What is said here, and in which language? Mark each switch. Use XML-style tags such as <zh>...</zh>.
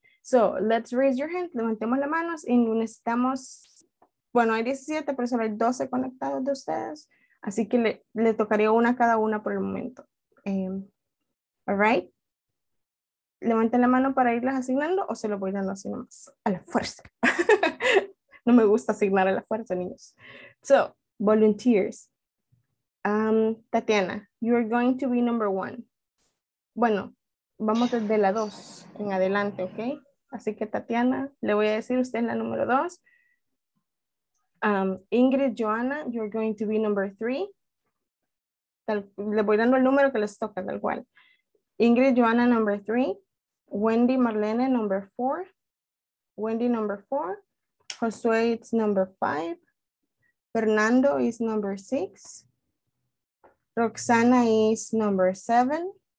<en>So, let's raise your hand,</en> <es>levantemos las manos y necesitamos, bueno, hay 17 personas, hay 12 conectados de ustedes, así que le tocaría una a cada una por el momento.</es> <en>All right?</en> <es>Levanten la mano para irlas asignando o se lo voy dando así nomás, a la fuerza. No me gusta asignar a la fuerza, niños.</es> <en>So, volunteers. Tatiana, you are going to be number one.</en> <es>Bueno, vamos desde la dos en adelante, ¿ok? Así que Tatiana, le voy a decir usted la número dos.</es> <en>Ingrid, Joanna, you are going to be number three.</en> <es>Le voy dando el número que les toca, tal cual.</es> <en>Ingrid, Joanna, number three. Wendy, Marlene, number four. Wendy, number four. Josué, it's number five. Fernando is number six. Roxana is number seven.</en>